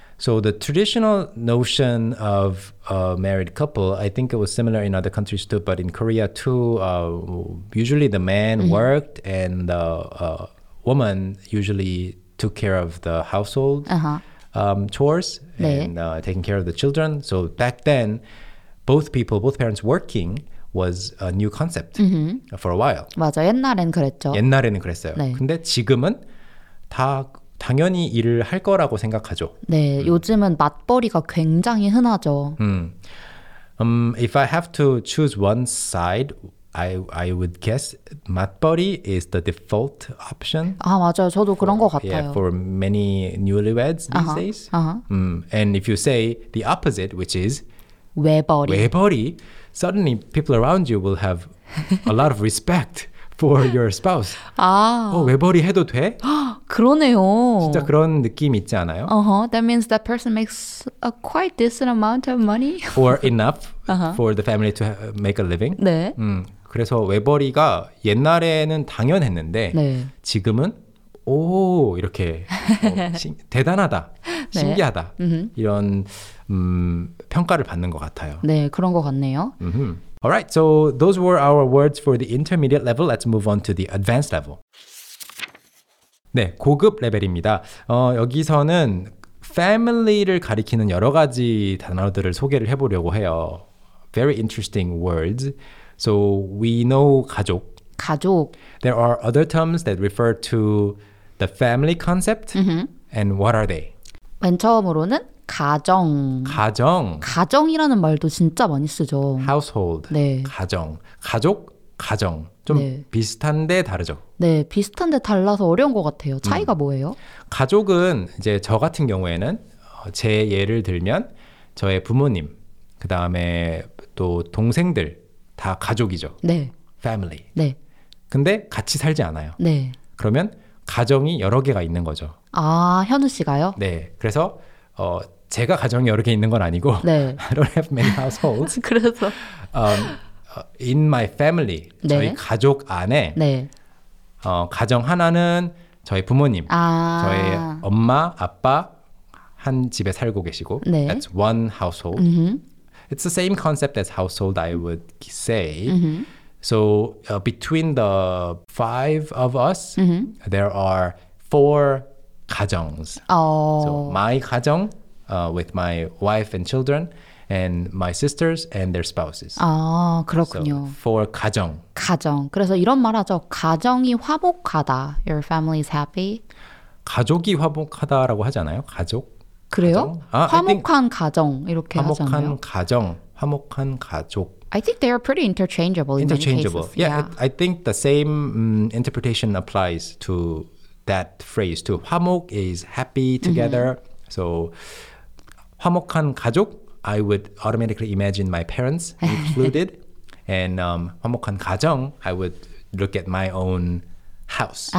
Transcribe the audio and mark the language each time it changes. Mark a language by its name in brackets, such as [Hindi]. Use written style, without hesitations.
[English] So the traditional notion of a married couple, I think it was similar in other countries too, but in Korea too, usually the man mm-hmm. worked and the woman usually took care of the household. Uh-huh. Chores and [Korean] 네. [English] Taking care of the children. So back then, both parents working was a new concept mm-hmm. for a while. [Korean] 맞아, 옛날엔 그랬죠. 옛날에는 그랬어요. 네. 근데 지금은 다 당연히 일을 할 거라고 생각하죠. 네, 요즘은 맞벌이가 굉장히 흔하죠. [English] If I have to choose one side, I would guess 맞벌이 is the default option. [Korean] 아, 맞아요. 저도 그런 것 같아요. [English] Yeah, for many newlyweds these days. Uh-huh. And if you say the opposite, which is [Korean] 외벌이. [English] 외벌이, suddenly people around you will have a lot of respect for your spouse. [Korean] 아. 어, 외벌이 해도 돼? 그러네요. 진짜 그런 느낌 있지 않아요? [English] Uh-huh. That means that person makes a quite decent amount of money. Or enough uh-huh. for the family to make a living. [Korean] 네. 그래서 외벌이가 옛날에는 당연했는데 네. 지금은 오 이렇게 대단하다, 네. 신기하다 이런 평가를 받는 것 같아요. 네, 그런 것 같네요. [English] Alright, so those were our words for the intermediate level. Let's move on to the advanced level. [Korean] 네, 고급 레벨입니다. 여기서는 family를 가리키는 여러 가지 단어들을 소개를 해보려고 해요. [English] Very interesting words. So we know 가족. [Korean] 가족. [English] There are other terms that refer to the family concept. Mm-hmm. And what are they? [Korean] 맨 처음으로는 가정. 가정. 가정이라는 말도 진짜 많이 쓰죠. [English] Household. [Korean] 네. 가정. 가족, 가정. 좀 네. 비슷한데 다르죠. 네, 비슷한데 달라서 어려운 것 같아요. 차이가 뭐예요? 가족은 이제 저 같은 경우에는 제 예를 들면 저의 부모님, 그 다음에 또 동생들 다 가족이죠. 네. [English] Family. [Korean] 네. 근데 같이 살지 않아요. 네. 그러면 가정이 여러 개가 있는 거죠. 아, 현우 씨가요? 네. 그래서 제가 가정이 여러 개 있는 건 아니고 네. [English] I don't have many households. [Korean] 그래서 [English] in my family, [Korean] 네. 저희 가족 안에 네. 가정 하나는 저희 부모님, 아. 저희 엄마, 아빠 한 집에 살고 계시고 네. [English] That's one household. Mm-hmm. It's the same concept as household, I would say. Mm-hmm. So between the five of us, mm-hmm. there are four 가정s. Oh. So my 가정 with my wife and children, and my sisters and their spouses. [Korean] 아, 그렇군요. [English] So four 가정. [Korean] 가정. 그래서 이런 말하죠. 가정이 화목하다. [English] Your family is happy. [Korean] 가족이 화목하다라고 하잖아요. 가족. 그래요? 가정? 아, 화목한 가정 이렇게 화목한 하잖아요. 화목한 가정, 화목한 가족. [English] I think they are pretty interchangeable. Interchangeable. In many cases. Yeah, I think the same interpretation applies to that phrase too. 화목 is happy together. Mm-hmm. So, [Korean] 화목한 가족, [English] I would automatically imagine my parents included. And 화목한 가정, I would look at my own house.